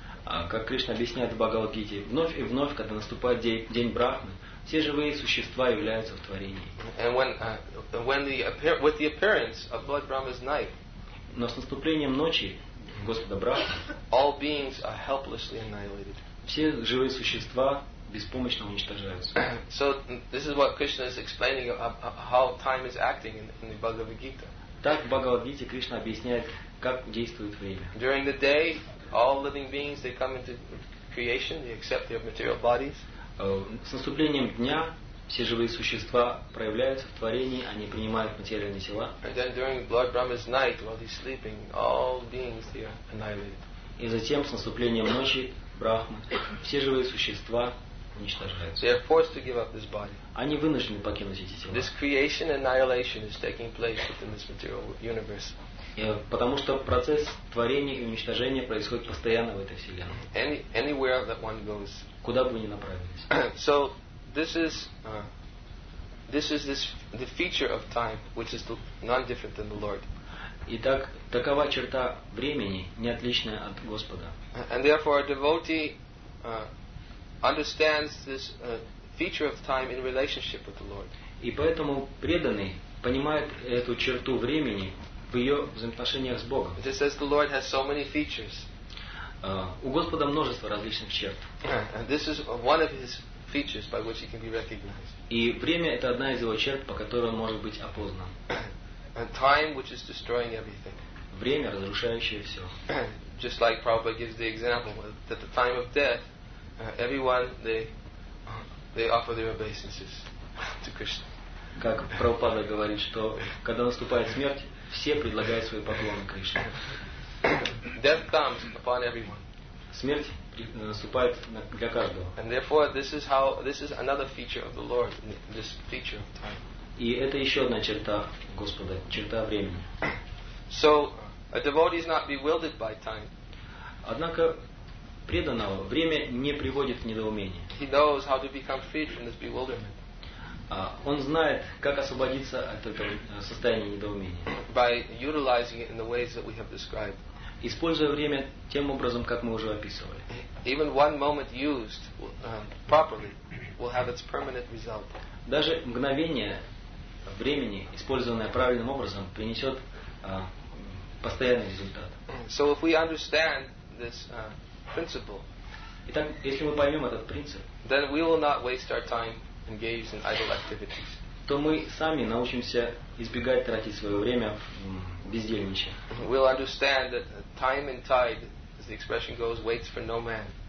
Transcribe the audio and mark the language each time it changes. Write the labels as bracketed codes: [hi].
[ru] Как Кришна объясняет в Бхагавад-гите, вновь и вновь, когда наступает день Брахмы, все живые существа являются в творении. [en] And with the appearance of Lord Brahma's night, [ru] но с наступлением ночи Господа Брахмы, [en] all beings are helplessly annihilated. [ru] Все живые существа беспомощно уничтожаются. [en] So this is what Krishna is explaining how time is acting in the Bhagavad Gita. [ru] Так в Бхагавад-гите Кришна объясняет, как действует время. [en] During the day, all living beings they come into creation, they accept their material bodies. [ru] С наступлением дня все живые существа проявляются в творении, они принимают материальные тела. [en] And then during Lord Brahma's night, while he's sleeping, all beings they are annihilated. [ru] И затем с наступлением ночи Брахмы все живые существа [en] They are forced to give up this body. [ru] Они вынуждены покинуть эти тела. [en] This creation annihilation is taking place within this material universe. [ru] Потому что процесс творения и уничтожения происходит постоянно в этой вселенной. [en] Anywhere that one goes. [ru] Куда бы вы ни направились. [en] So this is the feature of time, which is non-different than the Lord. [ru] Итак, такова черта времени, неотличная от Господа. [en] And therefore, a devotee understands this feature of time in relationship with the Lord. [ru] И поэтому преданный понимает эту черту времени в ее взаимоотношениях с Богом. [en] It says the Lord has so many features. [ru] У Господа множество различных черт. [en] This is one of his features by which he can be recognized. [ru] И время — это одна из его черт, по которой он может быть опознан. [en] And time, which is destroying everything. [ru] Время, разрушающее все. [en] Just like Prabhupada gives the example that the time of death, everyone they offer their obeisances to Krishna. [ru] Как Прабхупада говорит, что когда наступает смерть, все предлагают свои поклоны Кришне. [en] Death comes upon everyone. [ru] Смерть наступает для каждого. [en] And therefore, this is another feature of the Lord, this feature of time. [ru] И это еще одна черта Господа, черта времени. [en] So, a devotee is not bewildered by time. [ru] Однако преданного время не приводит в недоумение. [en] He knows how to become freed from this bewilderment. [ru] Он знает, как освободиться от этого состояния недоумения. [en] By utilizing it in the ways that we have described. [ru] Используя время тем образом, как мы уже описывали. [en] Even one moment used properly will have its permanent result. [ru] Даже мгновение времени, использованное правильным образом, принесет постоянный результат. [en] So if we understand this principle, [ru] итак, если мы поймем этот принцип, [en] then we will not waste our time engaged in idle activities. [ru] То мы сами научимся избегать тратить свое время в бездельничье. [en] We'll understand that time and tide, as the expression goes, waits for no man.